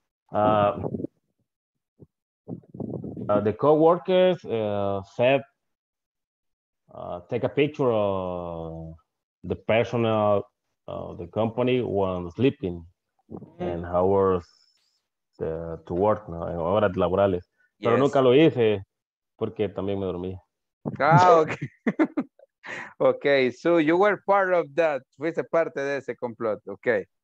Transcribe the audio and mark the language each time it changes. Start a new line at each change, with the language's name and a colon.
English: The co-workers said take a picture of the personnel of the company when sleeping and hours to work, ¿no?
Spanish: En horas laborales.
English: Yes.
Spanish: Pero nunca lo hice porque también me dormí.
English: Ah, okay. Okay, so you were part of that.
Spanish: Fuiste parte de ese complot.
English: Okay,